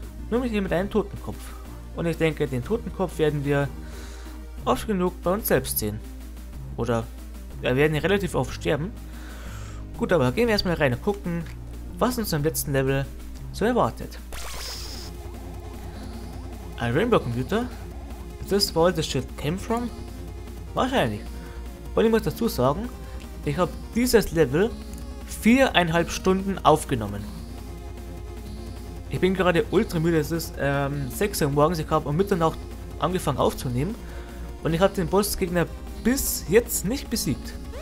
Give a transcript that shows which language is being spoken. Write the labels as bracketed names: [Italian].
[German] Nur mit hier mit einem Totenkopf. Und ich denke, den Totenkopf werden wir oft genug bei uns selbst sehen. Oder wir werden hier relativ oft sterben. Gut, aber gehen wir erstmal rein und gucken, was uns im letzten Level so erwartet. Ein Rainbow Computer? [English] Is this where all the shit came from? [German] Wahrscheinlich. Und ich muss dazu sagen, ich habe dieses Level 4,5 Stunden aufgenommen. Ich bin gerade ultra müde, es ist 6 Uhr morgens, ich habe um Mitternacht angefangen aufzunehmen und ich habe den Bossgegner bis jetzt nicht besiegt.